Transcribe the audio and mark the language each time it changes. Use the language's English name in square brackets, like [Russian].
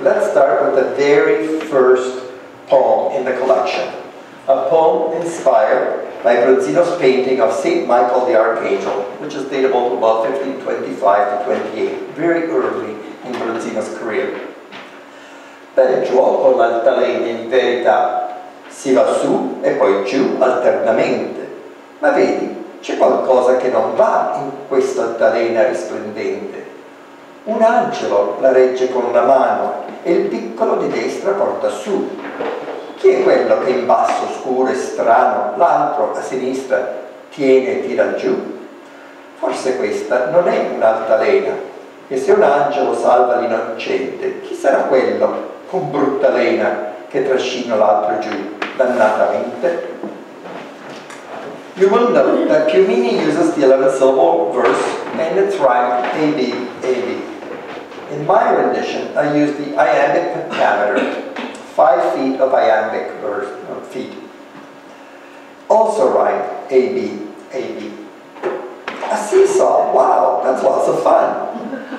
[English] Let's start with the very first poem in the collection. A poem inspired by Bronzino's painting of St. Michael the Archangel, which is datable to about 1525 to 28, very early in Bronzino's career. [Italian] Per gioco l'altalena in verità si va su e poi giù alternamente. Ma vedi, c'è qualcosa che non va in questa altalena risplendente. Un angelo la regge con la mano e il piccolo di destra porta su. Chi è quello che in basso, scuro e strano, l'altro a sinistra tiene e tira giù? Forse questa non è un'altalena, e se un angelo salva l'innocente, chi sarà quello con brutta lena che trascina l'altro giù dannatamente? [English] You will note that Piumini uses the 11-syllable verse and its rhyme AB, AB. In my rendition, I use the iambic pentameter, 5 feet of iambic verse, feet. Also rhyme AB, AB. A seesaw, wow, that's lots of fun.